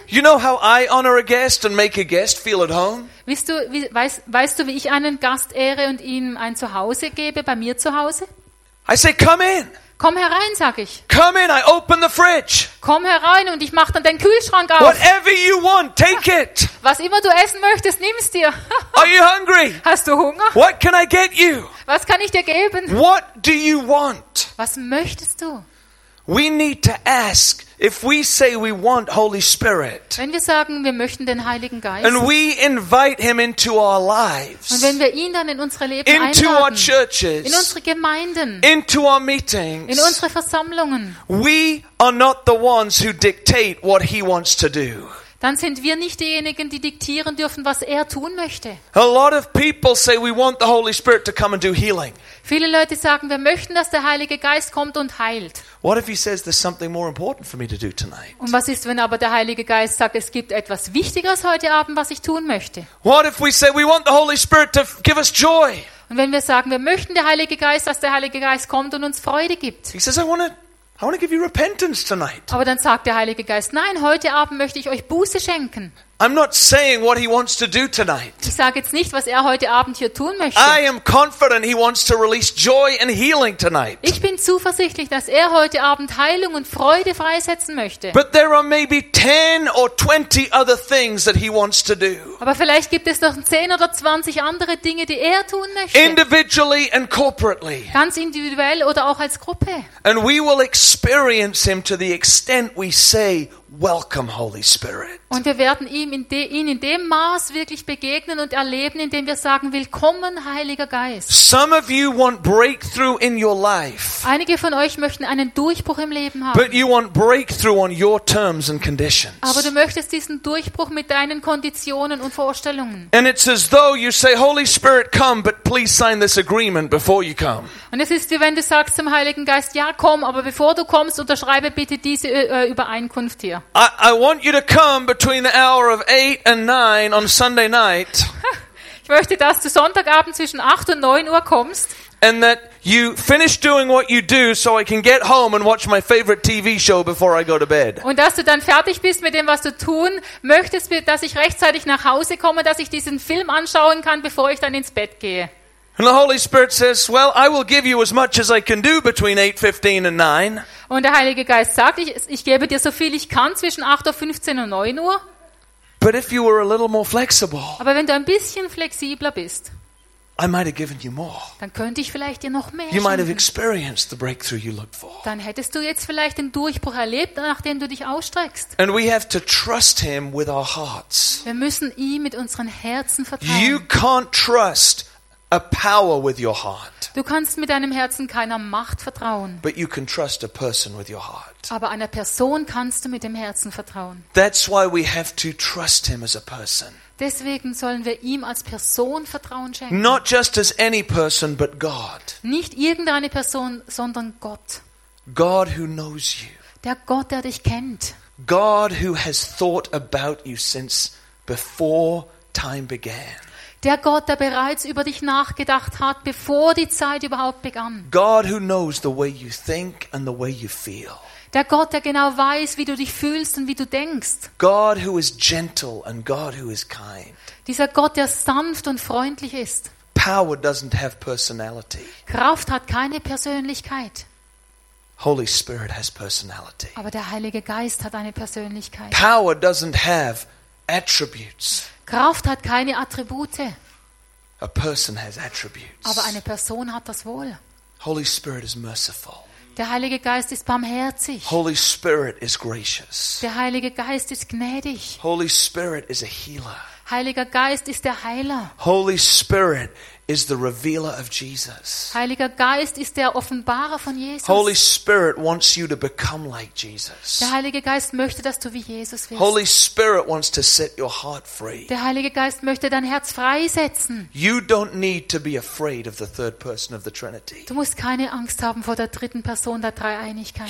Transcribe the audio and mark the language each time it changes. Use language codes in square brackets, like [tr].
[en] You know how I honor a guest and make a guest feel at home? [de] Weißt du, wie ich einen Gast ehre und ihm ein Zuhause gebe bei mir zu Hause? [en] I say, come in. [de] Komm herein, sag ich. [en] Come in, I open the fridge. [de] Komm herein und ich mach dann den Kühlschrank auf. [en] Whatever you want, take it. [de] Was immer du essen möchtest, nimm's dir. [en] Are you hungry? [de] Hast du Hunger? [en] What can I get you? [de] Was kann ich dir geben? [en] What do you want? [de] Was möchtest du? [en] We need to ask. If we say we want Holy Spirit, [de] wenn wir sagen, wir möchten den Heiligen Geist, [en] and we invite him into our lives, [de] und wenn wir ihn dann in unsere Leben [en] into [de] einladen, [en] our churches, [de] in unsere Gemeinden, [en] into our meetings, [de] in unsere Versammlungen, [en] we are not the ones who dictate what he wants to do. [de] Dann sind wir nicht diejenigen, die diktieren dürfen, was er tun möchte. [en] A lot of people say we want the Holy Spirit to come and do healing. [de] Viele Leute sagen, wir möchten, dass der Heilige Geist kommt und heilt. [en] What if he says there's something more important for me to do tonight? [de] Und was ist, wenn aber der Heilige Geist sagt, es gibt etwas Wichtigeres heute Abend, was ich tun möchte? [en] What if we say we want the Holy Spirit to give us joy? [de] Und wenn wir sagen, wir möchten der Heilige Geist, dass der Heilige Geist kommt und uns Freude gibt? [en] He says, I want to give you repentance tonight. [de] Aber dann sagt der Heilige Geist, nein, heute Abend möchte ich euch Buße schenken. [en] I'm not saying what he wants to do tonight. [de] Ich sage jetzt nicht, was er heute Abend hier tun möchte. [en] I am confident he wants to release joy and healing tonight. [de] Ich bin zuversichtlich, dass er heute Abend Heilung und Freude freisetzen möchte. [en] But there are maybe 10 or 20 other things that he wants to do. [de] Aber vielleicht gibt es noch 10 oder 20 andere Dinge, die er tun möchte. [en] Individually and corporately. [de] Ganz individuell oder auch als Gruppe. [en] And we will experience him to the extent we say welcome, Holy Spirit. [de] Und wir werden ihn in dem Maß wirklich begegnen und erleben, indem wir sagen, willkommen, Heiliger Geist. [en] Some of you want breakthrough in your life. [de] Einige von euch möchten einen Durchbruch im Leben haben. [en] But you want breakthrough on your terms and conditions. [de] Aber du möchtest diesen Durchbruch mit deinen Konditionen und Vorstellungen. [en] And it's as though you say, Holy Spirit, come, but please sign this agreement before you come. [de] Und es ist, wie wenn du sagst zum Heiligen Geist, ja, komm, aber bevor du kommst, unterschreibe bitte diese Übereinkunft hier. [en] I want you to come between the hour of 8 and 9 on Sunday night. [de] Ich möchte, dass du Sonntagabend zwischen 8 und 9 Uhr kommst. [en] And that you finish doing what you do so I can get home and watch my favorite TV show before I go to bed. [de] Und dass du dann fertig bist mit dem, was du tun möchtest, dass ich rechtzeitig nach Hause komme, dass ich diesen Film anschauen kann, bevor ich dann ins Bett gehe. [en] And the Holy Spirit says, well, I will give you as much as I can do between 8:15 and 9. [de] Und der Heilige Geist sagt, ich gebe dir so viel ich kann zwischen 8:15 und 9 Uhr. [en] But if you were a little more flexible. [de] Aber wenn du ein bisschen flexibler bist. [en] I might have given you more. [de] Dann könnte ich vielleicht dir noch mehr geben. [en] You might have experienced the breakthrough you looked for. [de] Dann hättest du jetzt vielleicht den Durchbruch erlebt, nachdem du dich ausstreckst. [en] And we have to trust him with our hearts. [de] Wir müssen ihm mit unseren Herzen vertrauen. [en] You can't trust a power with your heart. [de] Du kannst mit deinem Herzen keiner Macht vertrauen. [en] But you can trust a person with your heart. [de] Aber einer Person kannst du mit dem Herzen vertrauen. [en] That's why we have to trust him as a person. [de] Deswegen sollen wir ihm als Person Vertrauen schenken. [en] Not just as any person, but God. [de] Nicht irgendeine Person, sondern Gott. [en] God who knows you. [de] Der Gott, der dich kennt. [en] God who has thought about you since before time began. [de] Der Gott, der bereits über dich nachgedacht hat, bevor die Zeit überhaupt begann. [en] God who knows the way you think and the way you feel. [de] Der Gott, der genau weiß, wie du dich fühlst und wie du denkst. [en] God who is gentle and God who is kind. [de] Dieser Gott, der sanft und freundlich ist. [en] Power doesn't have personality. [de] Kraft hat keine Persönlichkeit. [en] Holy Spirit has personality. [de] Aber der Heilige Geist hat eine Persönlichkeit. [en] Power doesn't have attributes. [de] Kraft hat keine Attribute. [en] A person has attributes. [de] Aber eine Person hat das wohl. [en] Holy Spirit is merciful. [de] Der Heilige Geist ist barmherzig. [en] Holy Spirit is gracious. [de] Der Heilige Geist ist gnädig. [en] Holy Spirit is a healer. [de] Heiliger Geist ist der Heiler. [en] Holy Spirit is the revealer of Jesus. [de] Heiliger Geist ist der Offenbarer von Jesus. [en] Holy Spirit wants you to become like Jesus. [de] Der Heilige Geist möchte, dass du wie Jesus wirst. [en] Holy Spirit wants to set your heart free. [de] Der Heilige Geist möchte dein Herz freisetzen. [en] You don't need to be afraid of the third person of the Trinity. [de] Du musst keine Angst haben vor der dritten Person der Dreieinigkeit.